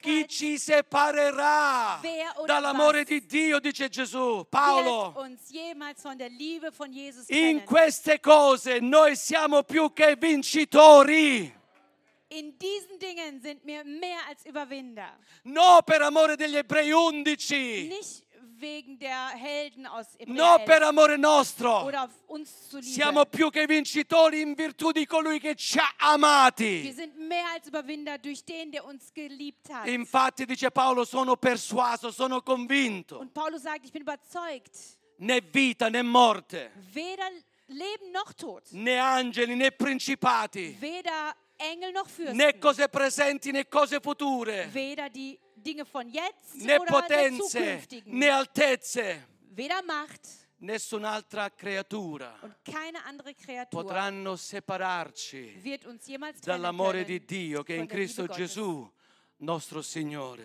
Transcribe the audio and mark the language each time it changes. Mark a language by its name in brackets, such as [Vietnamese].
[Italian] Chi ci separerà dall'amore di Dio, dice Gesù, Paolo. [German] Wird uns jemals von der Liebe von Jesus trennen. [Italian] In queste cose noi siamo più che vincitori. [German] In diesen Dingen sind wir mehr als Überwinder. [Italian] No, per amore degli Ebrei 11. [German] Nicht wegen der Helden aus Ebrei 11. [Italian] No, per amore nostro. [German] Oder uns zu lieben. [Italian] Siamo più che vincitori in virtù di colui che ci ha amati. [German] Wir sind mehr als Überwinder durch den, der uns geliebt hat. [Italian] Infatti, dice Paolo, sono persuaso, sono convinto. [German] Und Paolo sagt, ich bin überzeugt. [Italian] Né vita né morte. [German] Weder Leben noch Tod. [Italian] Né angeli né principati. [German] Weder Engel noch Fürsten. [Italian] Né cose presenti né cose future. [German] Weder die Dinge von jetzt [Italian] né [German] oder [Italian] potenze, [German] der zukünftigen. [Italian] Né altezze. [German] Weder Macht. [Italian] Nessun'altra creatura. [German] Und keine andere Kreatur. [Italian] Potranno separarci. [German] Wird uns jemals [Italian] dall'amore di Dio che in Cristo Gesù nostro Signore.